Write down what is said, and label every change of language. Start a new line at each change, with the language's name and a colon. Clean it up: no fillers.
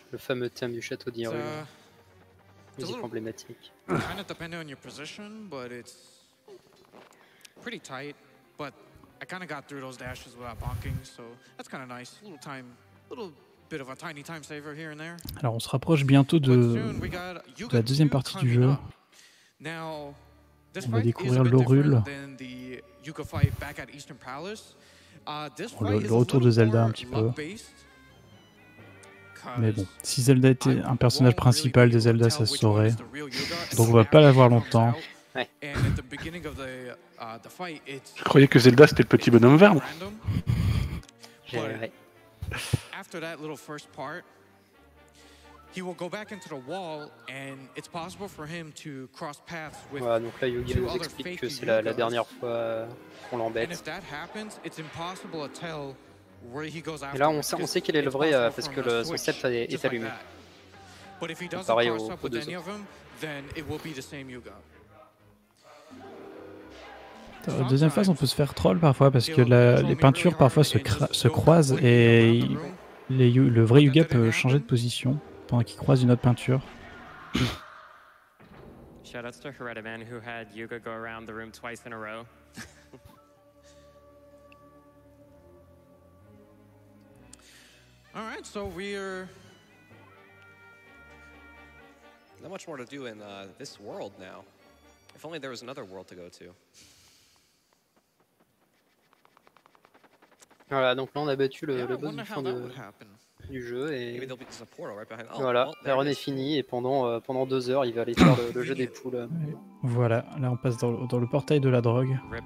French: Le fameux thème du château d'Hyrule. Musique emblématique.
English: Kind of depending on your position, but it's pretty tight. But I kind of got through those dashes without bonking, so that's kind of nice. A little time, a little bit of a tiny time saver here and there.
French: Alors, on se rapproche bientôt de la deuxième partie du jeu.
English: Now,
French: on va découvrir l'Orule.
English: Than the Yuka fight back at Eastern Palace.
French: Le retour de Zelda un petit peu. Mais bon, si Zelda était un personnage principal des Zelda, ça se saurait. Donc on va pas l'avoir longtemps. Je croyais que Zelda c'était le petit bonhomme vert.
English: After that little first part, he will go back into the wall and it's possible for him to cross paths with.
French: Voilà, donc là Yugi nous explique que c'est la dernière fois qu'on l'embête.
English: And if that happens, it's impossible to tell.
French: Et là, on sait qu'il est le vrai parce que son sceptre est allumé. Donc, pareil au coup de ça. La deuxième phase, on peut se faire troll parfois parce que les peintures parfois se croisent et le vrai Yuga peut changer de position pendant qu'il croise une autre peinture.
English: Shout out to Heredaman who had Yuga go around the room twice in a row. All right, so we're not much more to do in this world now. If only there was another world to go to.
French: Voilà, donc là on a battu le boss du jeu et voilà, la run est finie et pendant deux heures, il va aller faire le jeu des poules. Voilà, là on passe dans le portail de la drogue.